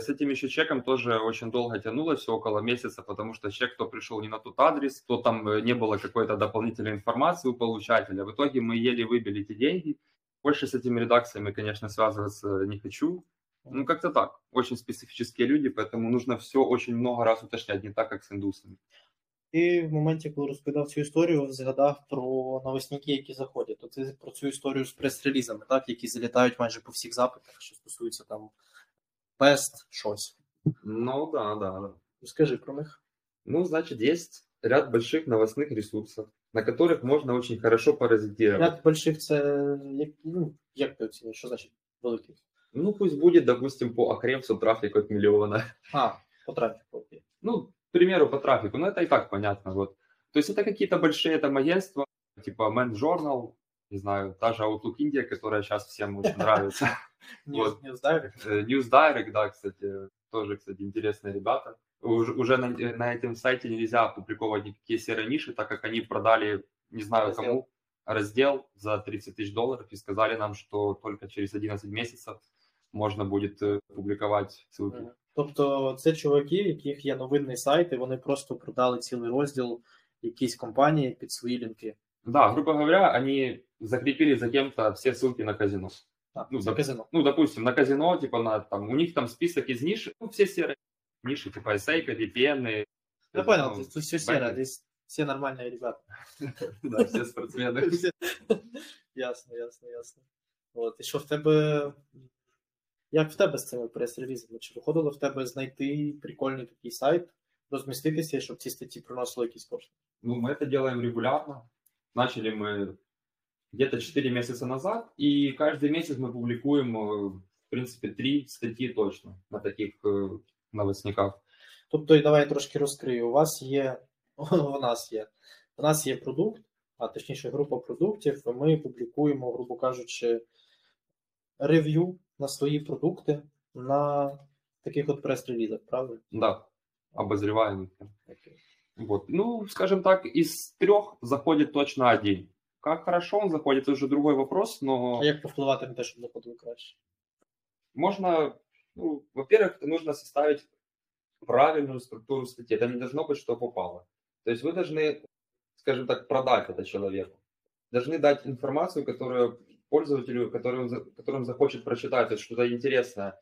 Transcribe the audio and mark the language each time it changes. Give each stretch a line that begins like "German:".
Russian: С этим еще чеком тоже очень долго тянулось, все около месяца, потому что чек то пришел не на тот адрес, то там не было какой-то дополнительной информации у получателя. В итоге мы еле выбили эти деньги. Больше с этими редакциями, конечно, связываться не хочу. Ну, как-то так. Очень специфические люди, поэтому нужно все очень много раз уточнять, не так, как с индусами. Ты в моменте, когда рассказал всю историю,
Ukrainian: згадав про новостники, які заходять. То це про цю історію з прес-релізами, так, які залітають майже по всіх запитах, що стосується там Пест, щось.
Russian: Ну, да. Скажи про них. Ну, значит, есть ряд больших новостных ресурсов, на которых можно очень хорошо Ряд паразитировать. больших, это, как ты оцениваешь, что значит великих? Ну, пусть будет, допустим, по Охревцу трафик от миллиона. А, по трафику. Ну, к примеру, по трафику, но это и так понятно. Вот. То есть это какие-то большие там агентства, типа Men Journal, не знаю, та же Outlook India, которая сейчас всем очень нравится. News Direct. News Direct, да, кстати, тоже, кстати, интересные ребята. Уже на этом сайте нельзя опубликовать никакие серые ниши, так как они продали, не знаю раздел. Кому, раздел за 30 тысяч долларов и сказали нам, что только через 11 месяцев можно будет публиковать ссылки.
Ukrainian: Тобто це чуваки, у яких є новинний сайт, і вони просто продали цілий розділ якійсь компанії під свої лінки.
Russian: Да, грубо говоря, они закрепили за кем-то все ссылки на казино. Так, ну, за казино. Ну, допустим, на казино, типа, на, там,
Ukrainian: у них там список із ніш,
Russian: ну, все серые. Ниши, типа SAP, VPN. Я понял, ну, тут все серо, здесь все нормальные ребята. Да, все спортсмены. Ясно, ясно, ясно. Вот, и что в тебе, как в тебе с этими пресс-релизами? Чи выходило в тебе найти прикольный такой сайт, разместиться, чтобы эти статьи приносили какие-то кошти? Ну, мы это делаем регулярно. Начали мы где-то 4 месяца назад, и каждый месяц мы публикуем, в принципе, 3 статьи точно на таких новостниках.
Ukrainian: Тобто, давай я трошки розкрию. У вас є, у нас є, у нас є продукт, а точніше група продуктів, і ми публікуємо, грубо кажучи, рев'ю на свої продукти на таких от прес-релізах, правильно? Так, да. Обозріваємо. Вот.
Russian: Ну, скажем так, из трьох заходит точно один. Как хорошо он заходит, это уже другой вопрос, но...
Ukrainian: А як повпливати на те, щоб заходило краще?
Russian: Можно... Ну, во-первых, нужно составить правильную структуру статьи. Это не должно быть, что попало. То есть вы должны, скажем так, продать это человеку. Должны дать информацию, которую пользователю, которым захочет прочитать, это что-то интересное.